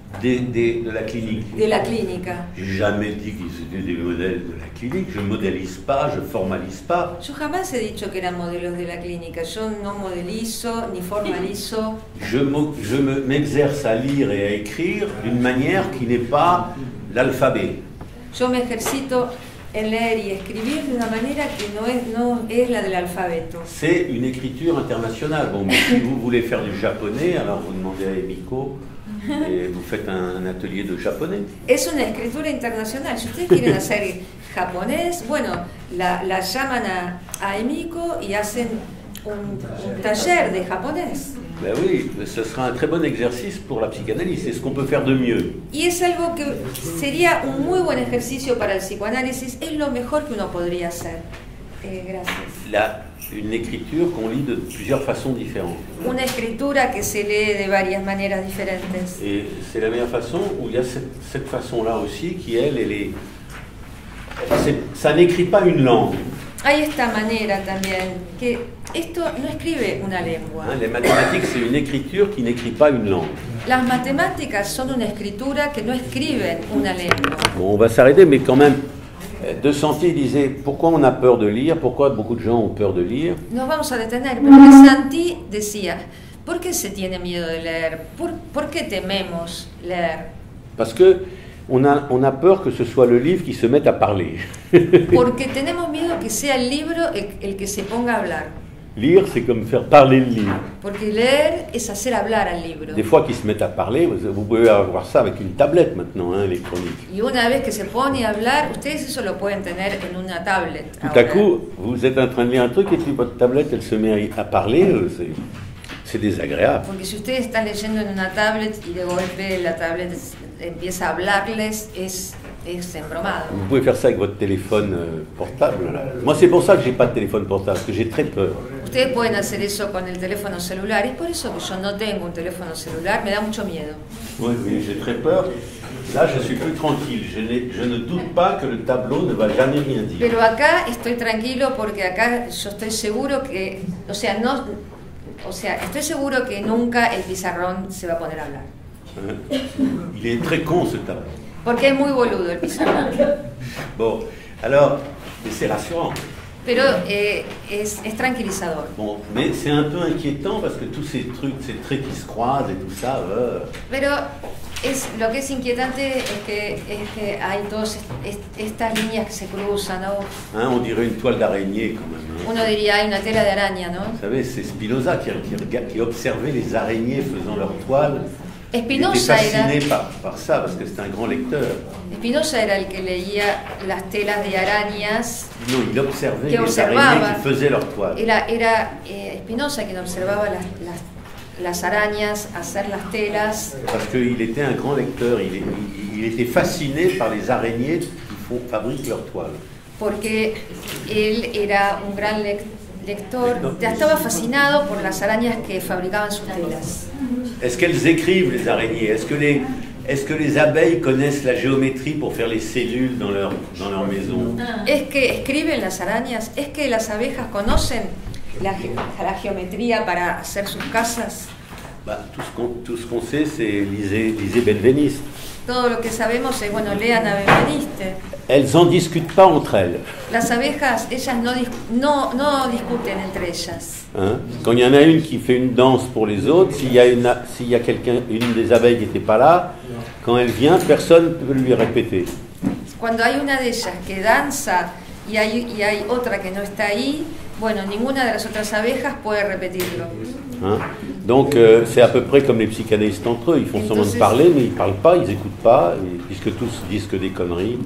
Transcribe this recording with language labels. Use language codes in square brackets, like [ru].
[fr] De la clinique. De la clinique. J'ai jamais dit qu'ils étaient des modèles de la clinique. Je ne modélise pas, je ne formalise pas. [es] Yo jamais he dicho que eran modelos [fr] de la clinique. [es] Yo no modelizo ni formalizo. [fr] Je m'exerce à lire et à écrire d'une manière qui n'est pas l'alphabet. [es] Yo me ejercito en leer y escribir de una manera que no es la del alfabeto. [fr] C'est une écriture internationale. Bon, mais si vous voulez faire du japonais, alors vous demandez à Emiko. Et vous faites un atelier de japonais. [es] Es una escritura internacional. Si ustedes quieren hacer japonés, bueno, la llaman a Emiko y hacen un taller de japonés. [fr] Ben oui, ce sera un très bon exercice pour la psychanalyse. C'est ce qu'on peut faire de mieux. [es] Y es algo que sería un muy buen ejercicio para el psicoanálisis. Es lo mejor que uno podría hacer. Gracias. [fr] Une écriture qu'on lit de plusieurs façons différentes. [es] Una escritura que se lee de varias maneras diferentes. [fr] Et c'est la meilleure façon, où il y a cette façon-là aussi qui, elle est... ça n'écrit pas une langue. [es] Hay esta manera también, que esto no escribe una lengua. [fr] Hein, les mathématiques, c'est une écriture qui n'écrit pas une langue. [es] Las matemáticas son una escritura que no escriben una lengua. [fr] Bon, on va s'arrêter, mais quand même, De Santi disait, pourquoi on a peur de lire? Pourquoi beaucoup de gens ont peur de lire? [es] Nos vamos a detener, porque Santi decía, ¿por qué se tiene miedo de leer? ¿Por qué tememos leer? [fr] Parce que on a peur que ce soit le livre qui se mette à parler. [es] Porque tenemos miedo que sea el libro el que se ponga a hablar. [fr] Lire, c'est comme faire parler le livre. [es] Porque leer es hacer hablar al libro. [fr] Des fois qu'il se met à parler, vous pouvez avoir ça avec une tablette maintenant, hein, électronique. [es] Y una vez que se pone a hablar, ustedes eso lo pueden tener en una tablet. [fr] Tout à coup, vous êtes en train de lire un truc et puis votre tablette, elle se met à parler, c'est désagréable. [es] Porque si ustedes están leyendo en una tablet y de golpe la tablet empieza a hablarles, es embromado. [fr] Vous pouvez faire ça avec votre téléphone portable. Là. Moi, c'est pour ça que j'ai pas de téléphone portable, parce que j'ai très peur. [es] Ustedes pueden hacer eso con el teléfono celular. Es por eso que yo no tengo un teléfono celular. Me da mucho miedo. [fr] Oui, oui, j'ai très peur. Là, je suis plus tranquille. Je ne doute pas que le tableau ne va jamais rien dire. [es] Pero acá estoy tranquilo porque acá yo estoy seguro que, o sea, no, o sea, estoy seguro que nunca el pizarrón se va a poner a hablar. [fr] Il est très con ce tableau. [es] Porque es muy boludo el pizarrón. [fr] Bon, alors, c'est rassurant. [es] Pero es tranquilizador. [fr] Bon, mais c'est un peu inquiétant parce que tous ces trucs, ces traits qui se croisent et tout ça. [es] Pero es lo que es inquietante es que hay dos estas líneas que se cruzan, ¿no? [fr] Hein, on dirait une toile d'araignée quand même. Hein. [es] Uno diría hay una tela de araña, ¿no? [fr] Vous savez, c'est Spinoza qui observait les araignées faisant leur toile. Spinoza était fasciné par ça parce que c'est un grand lecteur. [es] Spinoza era el que leía las telas de arañas. [fr] No, il observait que les araignées qui faisaient leur toile. [es] Era Spinoza quien observaba las arañas hacer las telas. [fr] Parce qu'il était un grand lecteur, il était fasciné par les araignées qui fabriquent leur toile. [es] Porque él era un gran lector, ya estaba fascinado por las arañas que fabricaban sus telas. [fr] Est-ce qu'elles écrivent les araignées? Est-ce que les abeilles connaissent la géométrie pour faire les cellules dans leur maison? Est-ce que [es] escriben las arañas? [fr] Est-ce que [es] las abejas conocen la geometría para hacer sus casas? [fr] Bah, tout ce qu'on sait, c'est lisez Benveniste. [es] Todo lo que sabemos es bueno, lean a Benveniste. [fr] Elles en discutent pas entre elles. [es] Las abejas, ellas no discuten entre ellas. Hein? [fr] Quand il y en a une qui fait une danse pour les autres, s'il y a quelqu'un, une des abeilles qui n'était pas là, quand elle vient, personne ne peut lui répéter. [es] Cuando hay una de ellas que danza y hay otra que no está ahí, bueno, ninguna de las otras abejas puede repetirlo. Hein? [fr] Donc c'est à peu près comme les psychanalystes entre eux, ils font semblant de parler mais ils parlent pas, ils écoutent pas, et, puisque tous disent que des conneries.